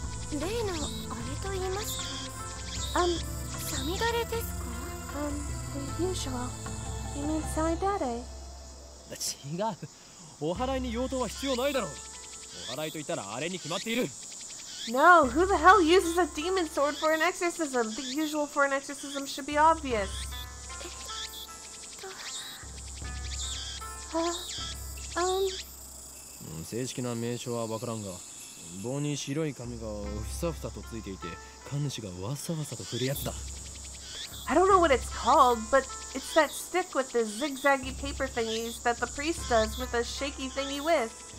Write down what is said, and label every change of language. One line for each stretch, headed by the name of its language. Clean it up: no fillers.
English: The usual. You mean Samidare? No, who the hell uses a demon sword for an exorcism? The usual for an exorcism should be obvious.
Japanese: 正式な名称は分からんが、棒に白い紙がふさふさとついていて、神主がわさわさと振るやった。
English: I don't know what it's called, but it's that stick with the zigzaggy paper thingies that the priest does with a shaky thingy with.